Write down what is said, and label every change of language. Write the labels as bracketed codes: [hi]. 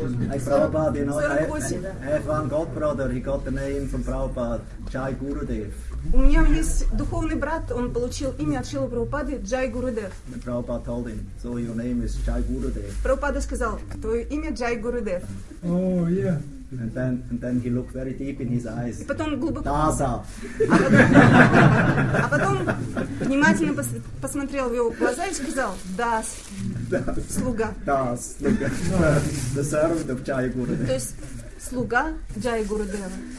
[en] Like Prabhupada, you know, I have one god brother, he got the name from Prabhupada, Jai Gurudev. [ru] У меня есть духовный брат, он получил имя от Шрилы Прабхупады, Джай Гурудев. [en] Prabhupada told him, so your name is Jai Gurudev. [ru] Прабхупада сказал, твое имя Джай Гурудев. [en] Oh, yeah. And then he looked very deep in his eyes. [ru] И потом глубоко. Даза. А потом внимательно посмотрел в его глаза и сказал: Дас, слуга. Дас, слуга. [en] The servant of Jai Gurudev. [ru] То есть слуга Джай Гурудева.